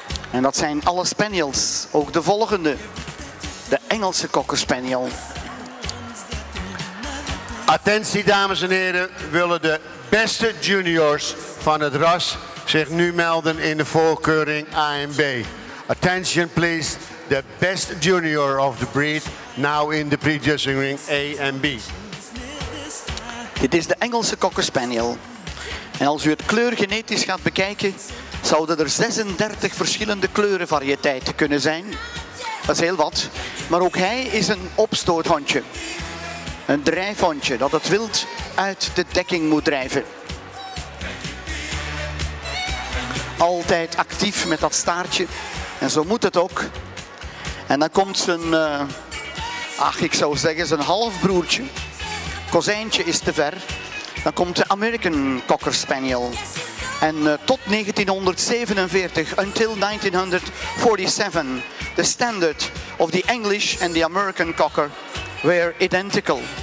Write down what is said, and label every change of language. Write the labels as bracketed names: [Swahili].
[Dutch] En dat zijn alle spaniels, ook de volgende. De Engelse Cocker Spaniel. Attentie, dames en heren. Willen de beste juniors van het ras zich nu melden in de voorkeuring AMB? [English] Attention, please. The best junior of the breed now in the pre-dressing ring AMB. [Dutch] Dit is de Engelse Cocker Spaniel. En als u het kleurgenetisch gaat bekijken, zouden er 36 verschillende kleurenvariëteiten kunnen zijn. Dat is heel wat. Maar ook hij is een opstoothondje. Een drijfhondje dat het wild uit de dekking moet drijven. Altijd actief met dat staartje. En zo moet het ook. En dan komt zijn, zijn halfbroertje. Kozijntje is te ver. Dan komt de American Cocker Spaniel. En tot 1947, [English] until 1947, the standard of the English and the American Cocker were identical.